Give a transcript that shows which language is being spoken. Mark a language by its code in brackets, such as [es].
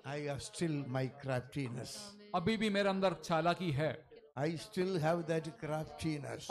[en] I have still my craftiness. [hi] अभी भी मेरे अंदर चालाकी है. [en] I still have that craftiness.